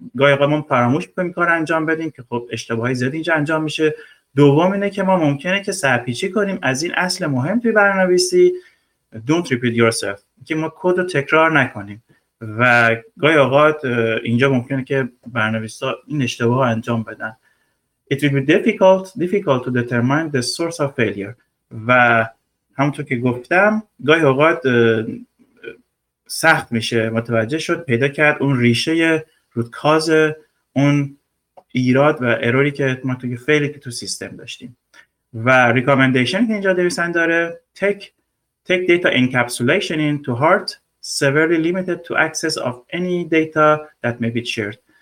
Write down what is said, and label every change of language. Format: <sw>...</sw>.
<fa>گاهی ما فراموش میکنیم کار انجام بدیم که خب اشتباهی زیادی اینجا انجام میشه. دوم اینه که ما ممکنه که سرپیچی کنیم از این اصل مهم توی برنامه‌نویسی</fa> <en>don't repeat yourself،</en> <fa>که ما کد رو تکرار نکنیم. و گاهی اوقات اینجا ممکنه که برنامه‌نویس‌ها این اشتباه رو انجام بدن.</fa> <en>It will be difficult to determine the source of failure.</en> <fa>و همونطور که گفتم گاهی اوقات سخت میشه متوجه شد پیدا کرد اون ریشه root cause اون ایراد و اروری که ما توی فیلی که تو سیستم داشتیم. و ریکامندیشن که اینجا نویسنده داره</fa> <en>take data encapsulation into heart severely limited to access of any data that may be shared.</en>